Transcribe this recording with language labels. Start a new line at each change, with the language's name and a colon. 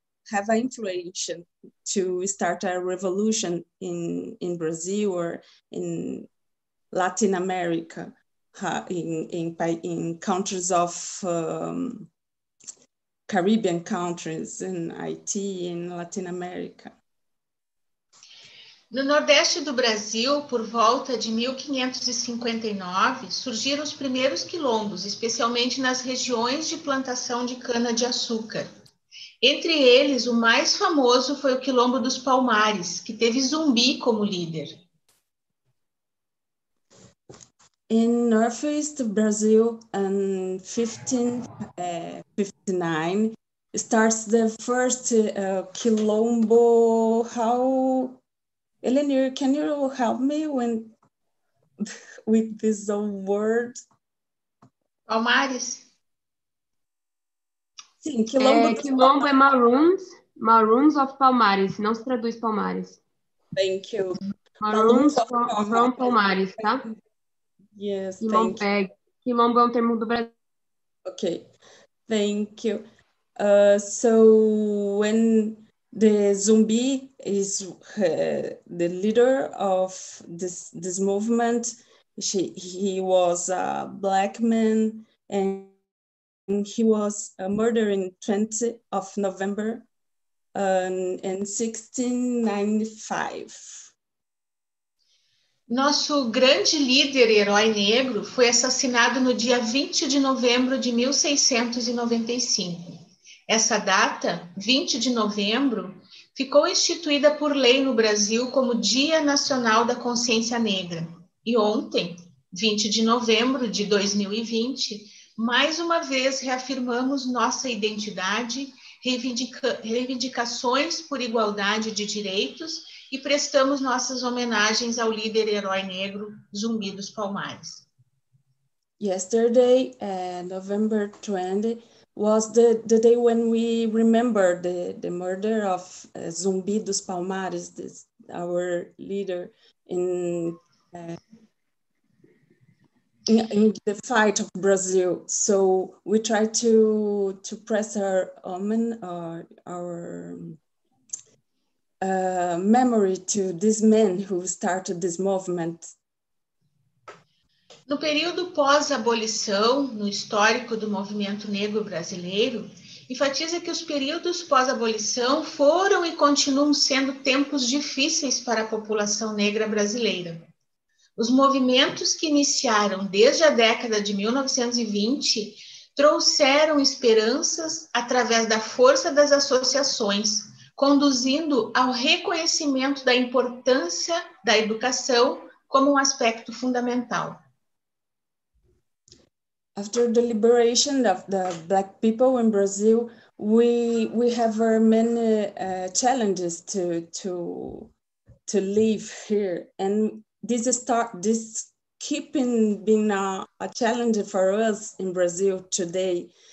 English: have an influence to start a revolution in Brazil or in Latin America, in countries of Caribbean countries, in Haiti, in Latin America.
Portuguese: No Nordeste do Brasil, por volta de 1559, surgiram os primeiros quilombos, especialmente nas regiões de plantação de cana-de-açúcar. Entre eles, o mais famoso foi o Quilombo dos Palmares, que teve Zumbi como líder.
English: In Northeast Brazil, in 1559, starts the first quilombo. How Eleanor, can you help me with this old word? Palmares?
Portuguese: Sim, quilombo. Quilombo é Maroons,
English: Maroons of Palmares,
Portuguese: não se traduz Palmares.
English: Thank you. Maroons from Palmares, tá? Yes, thank you.
Portuguese: Quimombo é um termo do Brasil.
English: Okay, thank you. So when the Zumbi is the leader of this movement, he was a black man, and he was murdered in 20th of November in 1695.
Portuguese: Nosso grande líder, herói negro, foi assassinado no dia 20 de novembro de 1695. Essa data, 20 de novembro, ficou instituída por lei no Brasil como Dia Nacional da Consciência Negra. E ontem, 20 de novembro de 2020, mais uma vez reafirmamos nossa identidade, reivindicações por igualdade de direitos e prestamos nossas homenagens ao líder herói negro Zumbi dos Palmares.
English: Yesterday, November 20, was the day when we remember the murder of Zumbi dos Palmares, our leader in the fight of Brazil. So we try to press our omen, our memory to this man who started this movement.
Portuguese: No período pós-abolição, no histórico do movimento negro brasileiro, enfatiza que os períodos pós-abolição foram e continuam sendo tempos difíceis para a população negra brasileira. Os movimentos que iniciaram desde a década de 1920 trouxeram esperanças através da força das associações, conduzindo ao reconhecimento da importância da educação como um aspecto fundamental.
English: After the liberation of the black people in Brazil, we have many challenges to live here, and this keeping being a challenge for us in Brazil today.